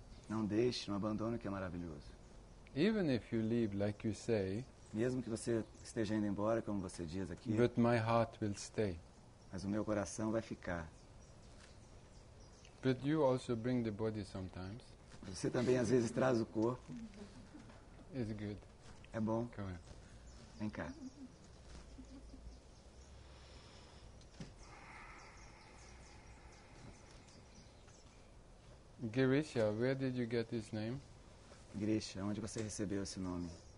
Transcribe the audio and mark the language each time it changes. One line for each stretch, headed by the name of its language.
Portuguese: Não deixe, não abandone o que é maravilhoso.
English: Even if you leave, like you say.
Portuguese: Mesmo que você esteja indo embora, como você diz aqui.
English: But my heart will stay.
Portuguese: Mas o meu coração vai ficar.
English: But you also bring the body sometimes.
Portuguese: Você também às vezes traz o corpo.
English: It's good.
Portuguese: É bom.
English: Come on.
Portuguese: Vem cá.
English: Girisha, where did you get this name?
Portuguese: Girisha, onde você recebeu esse nome?